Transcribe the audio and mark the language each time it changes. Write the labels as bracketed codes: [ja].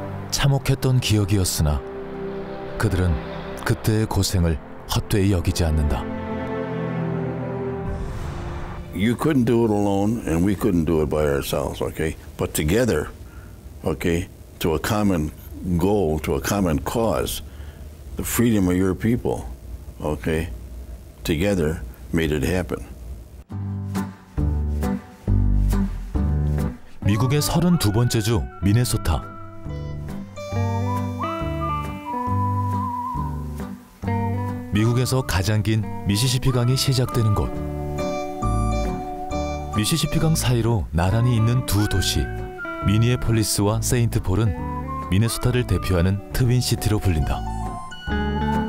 [ko] 참혹했던 기억이었으나 그들은 그때의 고생을 헛되이 여기지 않는다. [en] You couldn't do it alone, and we couldn't do it by ourselves, okay? But together, okay, to a common goal, to a common cause, the freedom of your people, okay, together made it happen. [ko] 미국의 32번째 주 미네소타. 미국에서 가장 긴 미시시피강이 시작되는 곳. 미시시피강 사이로 나란히 있는 두 도시, 미니애폴리스와 세인트폴은 미네소타를 대표하는 트윈시티로 불린다.